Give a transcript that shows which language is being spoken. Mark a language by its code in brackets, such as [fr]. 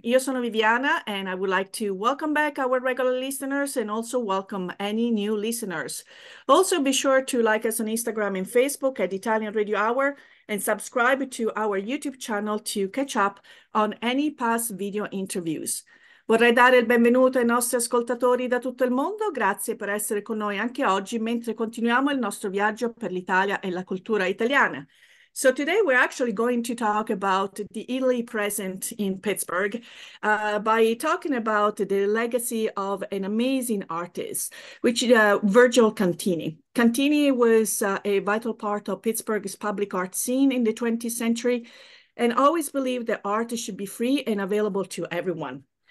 [en] Io sono Viviana and I would like to welcome back our regular listeners and also welcome any new listeners. Also be sure to like us on Instagram and Facebook at Italian Radio Hour and subscribe to our YouTube channel to catch up on any past video interviews. [it] Vorrei dare il benvenuto ai nostri ascoltatori da tutto il mondo. Grazie per essere con noi anche oggi mentre continuiamo il nostro viaggio per l'Italia e la cultura italiana. [en] So today we're actually going to talk about the Italy present in Pittsburgh by talking about the legacy of an amazing artist, which is Virgil Cantini. Cantini was a vital part of Pittsburgh's public art scene in the 20th century and always believed that art should be free and available to everyone.